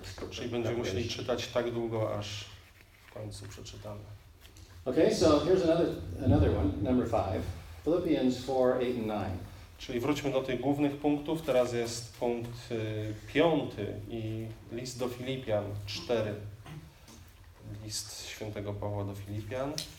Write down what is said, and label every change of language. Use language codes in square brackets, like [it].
[pl] Czyli będziemy musieli czytać tak długo, aż w końcu przeczytamy. [en] Okay, so here's another one, number 5. Philippians 4, 8 and 9. [pl] Czyli wróćmy do tych głównych punktów. Teraz jest punkt 5 i list do Filipian 4. List świętego Pawła do Filipian.